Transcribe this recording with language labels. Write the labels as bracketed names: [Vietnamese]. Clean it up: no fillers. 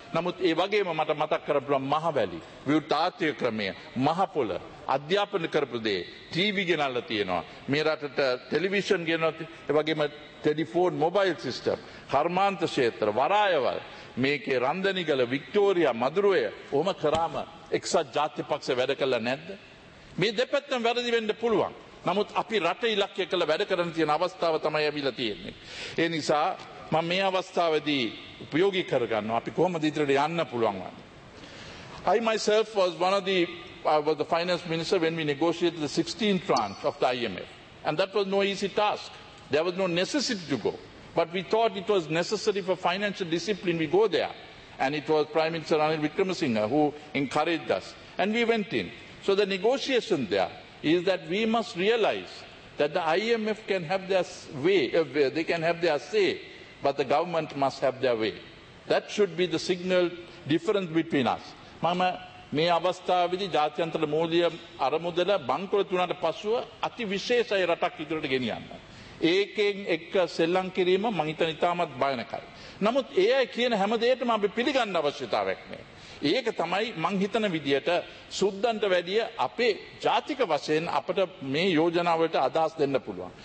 [Sinhala] නමුත් ඒ වගේම මට මතක් කරපු මහවැලි විවෘත ආර්ථික ක්‍රමය මහපොළ අධ්‍යාපන කරපු දේ TV ගෙනල්ලා තියෙනවා මේ රටට ටෙලිවිෂන් ගෙනල්ලා ඒ වගේම ටෙලිෆෝන් මොබයිල් සිස්ටම් හර්මාන්ත ක්ෂේත්‍ර වරායවල් මේකේ රන්දනිගල වික්ටෝරියා මදුරුවේ ඔහොම කරාම එක්සත් ජාතික පක්ෂය වැඩ කළා නැද්ද? මේ දෙපැත්තම වැරදි වෙන්න පුළුවන්. නමුත් අපි රට ඉලක්කය කළ වැඩ කරන තියෙන අවස්ථාව තමයි ඇවිල්ලා තියෙන්නේ. ඒ නිසා මම මේ අවස්ථාවේදී උපයෝගී කරගන්නවා අපි කොහොමද ඉදිරියට යන්න පුළුවන් වන්නේ. [English] I myself was one of the I was the finance minister when we negotiated the 16th tranche of the IMF. And that was no easy task. There was no necessity to go. But we thought it was necessary for financial discipline we go there. And it was Prime Minister Ranil Wickremesinghe who encouraged us. And we went in. So the negotiation there is that we must realize that the IMF can have their way, they can have their say, but the government must have their way. That should be the signal difference between us. [Sinhala] Mama, මේ අවස්ථාවේදී ජාත්‍යන්තර මූල්‍ය අරමුදල බංකොලොත් වුණාට පසුව අතිවිශේෂයි රටක් ඉදිරියට ගෙනියන්න. ඒකෙන් එක්ක සෙල්ලම් කිරීම මම හිතන ඉතාමත් භයානකයි. නමුත් AI කියන හැම දෙයකටම අපි පිළිගන්න අවශ්‍යතාවයක් නැහැ. ඒක තමයි මං හිතන විදියට සුද්ධන්ට වැඩිය අපේ ජාතික වශයෙන් අපට මේ යෝජනාවලට අදහස් දෙන්න පුළුවන්.